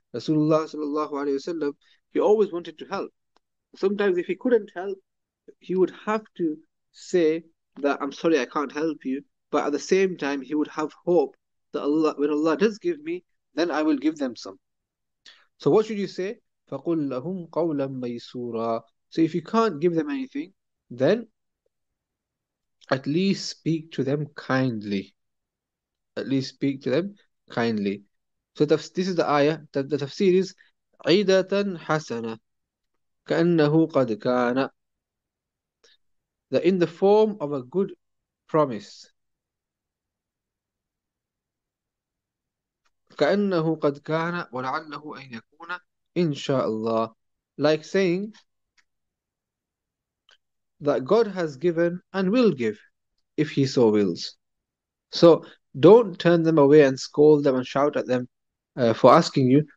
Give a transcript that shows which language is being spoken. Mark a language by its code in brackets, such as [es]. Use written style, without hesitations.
[en] Rasulullah sallallahu alaihi wasallam, he always wanted to help. Sometimes if he couldn't help, he would have to say that I'm sorry I can't help you, but at the same time he would have hope that Allah, when Allah does give me, then I will give them some. So what should you say? [ar] فَقُلْ لَهُمْ قَوْلًا مَيْسُورًا. [en] So if you can't give them anything, then at least speak to them kindly. At least speak to them kindly. So this is the ayah. The tafsir is [ar] عِيدَةً حَسَنَةً كَأَنَّهُ قَدْ كَانَ. [en] That in the form of a good promise. [ar] كَأَنَّهُ قَدْ كَانَ وَلَعَلَّهُ أَنْ يَكُونَ إِنْشَاءَ اللَّهُ. [en] Like saying that God has given and will give if He so wills. So don't turn them away and scold them and shout at them for asking you.